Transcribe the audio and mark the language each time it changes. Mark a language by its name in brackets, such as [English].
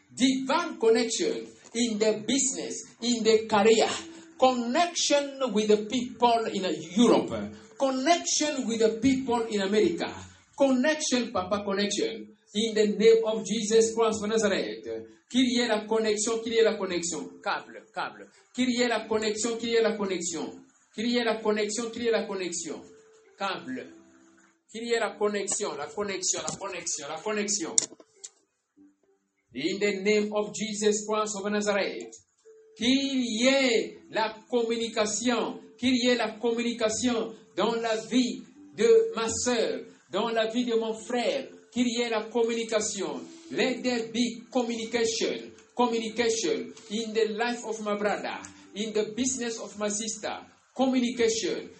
[English] Divine connection in the business, in the career. Connection with the people in Europe. Connection with the people in America. Connection, papa, connection. In the name of Jesus Christ of Nazareth. [French] Qu'il y ait la connexion, qu'il y ait la connexion. Câble, câble. Qu'il y ait la connexion, qu'il y ait la connexion. Qu'il y ait la connexion, qu'il y ait la connexion. Câble. Qu'il y ait la connexion, la connexion, la connexion, la connexion. [English] In the name of Jesus Christ of Nazareth. [French] Qu'il y ait la communication, qu'il y ait la communication dans la vie de ma soeur, dans la vie de mon frère. Qu'il y ait la communication. [English] Let there be communication. Communication in the life of my brother. In the business of my sister. Communication.